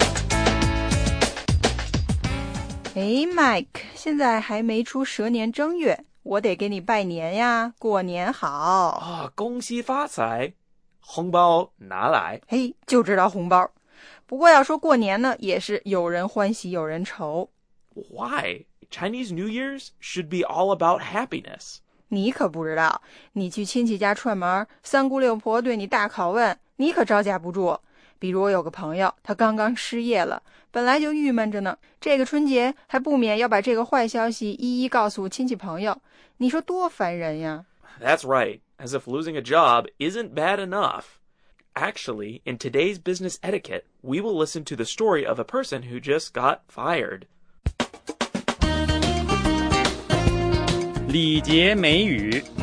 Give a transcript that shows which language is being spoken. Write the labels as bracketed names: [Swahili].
[Chinese] 哎 ，Mike， 现在还没出蛇年正月，我得给你拜年呀，过年好。啊，恭喜发财，红包拿来。嘿，就知道红包。不过要说过年呢，也是有人欢喜有人愁。 [English] Why? Chinese New Year's should be all about happiness. [Chinese] 你可不知道，你去亲戚家串门，三姑六婆对你大拷问，你可招架不住。比如我有个朋友，他刚刚失业了，本来就郁闷着呢，这个春节还不免要把这个坏消息一一告诉亲戚朋友，你说多烦人呀。 [English] That's right, as if losing a job isn't bad enough. Actually, in today's business etiquette, we will listen to the story of a person who just got fired. [Chinese] 礼节美语